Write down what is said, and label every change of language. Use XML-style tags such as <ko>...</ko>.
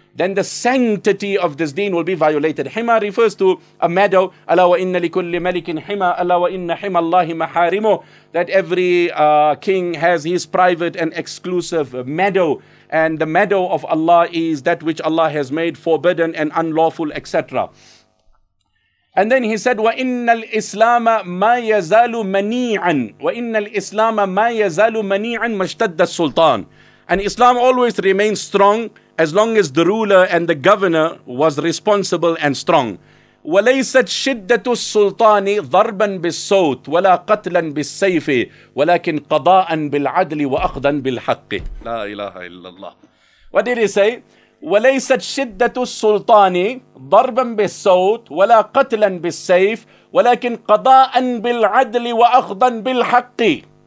<en>Then the sanctity of this deen will be violated. حِمَى refers to a meadow.</en> <ar>أَلَا وَإِنَّ لِكُلِّ مَلِكٍ حِمَى. أَلَا وَإِنَّ حِمَى اللَّهِ مَحَارِمُ.</ar> <en>That every king has his private and exclusive meadow. And the meadow of Allah is that which Allah has made forbidden and unlawful, etc. And then he said,</en> <ar>وَإِنَّ الْإِسْلَامَ مَا يَزَالُ مَنِيعًا وَإِنَّ الْإِسْلَامَ مَا يَزَالُ مَنِيعًا مَشْتَدَّ السُّلْطَانِ.</ar> <en>And Islam always remains strong as long as the ruler and the governor was responsible and strong.</en> <ar>وَلَيْسَتْ شِدَّةُ السُّلْطَانِ ضَرْبًا بِالصَّوْتِ وَلَا قَتْلًا بِالسَّيْفِ وَلَكِنْ قَضَاءً بِالْعَدْلِ وَأَخْذًا بِالْحَقِّ. لَا إِلَهَ إِلَّا اللَّهِ.</ar> <en>What did he say?</en> <ar>وَلَيْسَتْ شِدَّةُ السُّلْطَانِ ضَرْبًا بِالصَّوْتِ وَلَا قَتْلًا بِالسَّيْفِ وَلَكِنْ قَضَاءً بِالْعَدْلِ وَأَخْذًا بِالْحَقِّ.</ar>